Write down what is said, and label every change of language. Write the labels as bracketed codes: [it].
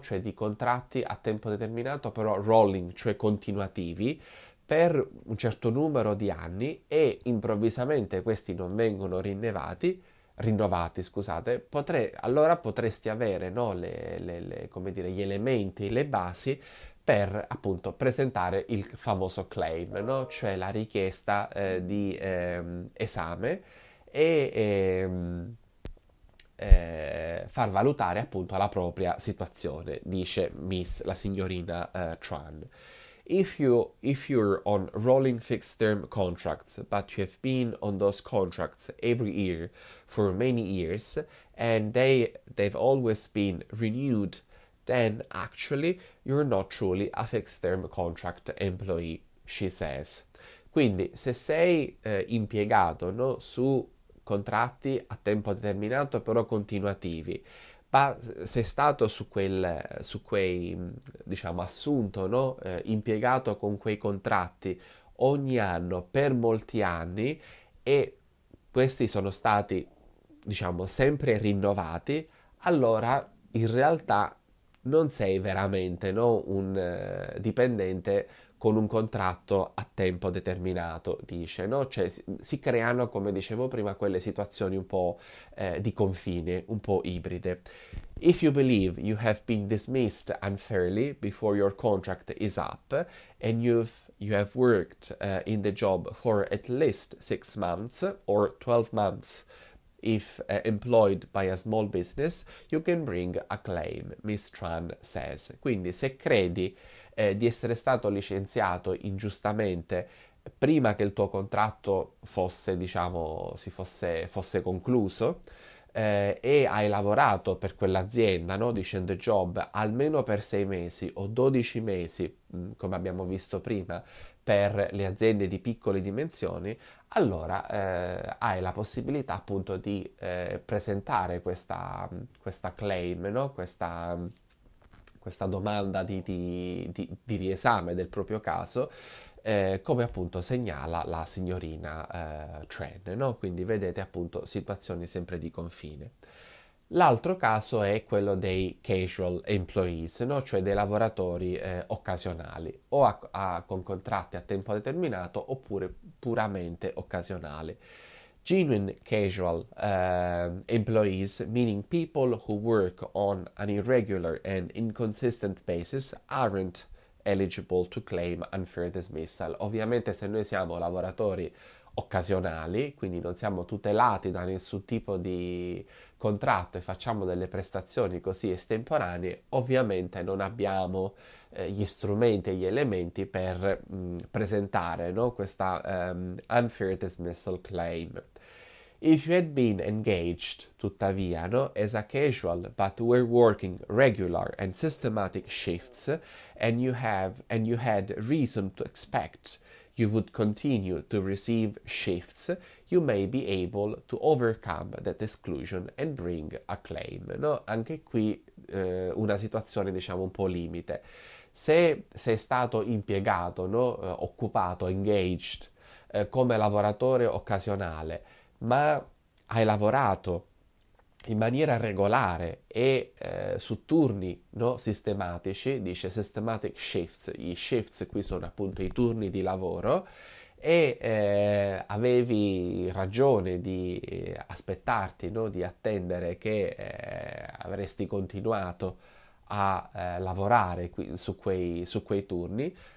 [it] Cioè di contratti a tempo determinato, però rolling, cioè continuativi, per un certo numero di anni e improvvisamente questi non vengono rinnovati, scusate, allora potresti avere, no, come dire, gli elementi, le basi, per appunto presentare il famoso claim, no? Cioè la richiesta di esame e far valutare appunto la propria situazione, dice Miss, la signorina Tran. [en] If you're on rolling fixed-term contracts, but you have been on those contracts every year for many years, and they've always been renewed, then actually you're not truly a fixed term contract employee, she says. [it] Quindi, se sei impiegato, no, su contratti a tempo determinato, però continuativi, ma sei stato diciamo, assunto, no, impiegato con quei contratti ogni anno per molti anni e questi sono stati, diciamo, sempre rinnovati, allora in realtà non sei veramente, no, un dipendente con un contratto a tempo determinato, dice, no? Cioè si creano, come dicevo prima, quelle situazioni un po' di confine, un po' ibride. [en] If you believe you have been dismissed unfairly before your contract is up and you have worked in the job for at least 6 months or 12 months, if employed by a small business, you can bring a claim, Miss Tran says. [it] Quindi, se credi di essere stato licenziato ingiustamente prima che il tuo contratto fosse, diciamo, fosse concluso, e hai lavorato per quell'azienda, no? Dicendo job almeno per 6 mesi o 12 mesi, come abbiamo visto prima, per le aziende di piccole dimensioni, allora hai la possibilità appunto di presentare questa claim, no? Questa domanda di riesame del proprio caso, come appunto segnala la signorina Tran, no? Quindi vedete appunto situazioni sempre di confine. L'altro caso è quello dei casual employees, no? Cioè dei lavoratori occasionali o con contratti a tempo determinato oppure puramente occasionali. [en] Genuine casual employees, meaning people who work on an irregular and inconsistent basis, aren't eligible to claim unfair dismissal. [it] Ovviamente se noi siamo lavoratori occasionali, quindi non siamo tutelati da nessun tipo di contratto e facciamo delle prestazioni così estemporanee, ovviamente non abbiamo gli strumenti e gli elementi per presentare, no, questa unfair dismissal claim. [en] If you had been engaged, [it] tuttavia, no, [en] as a casual, but were working regular and systematic shifts, and you had reason to expect you would continue to receive shifts, you may be able to overcome that exclusion and bring a claim. [it] No? Anche qui una situazione, diciamo, un po' limite. Se sei stato impiegato, no? Occupato, engaged, come lavoratore occasionale, ma hai lavorato in maniera regolare e su turni, no, sistematici, dice systematic shifts, gli shifts qui sono appunto i turni di lavoro, e avevi ragione di aspettarti, no, di attendere che avresti continuato a lavorare qui, su quei turni.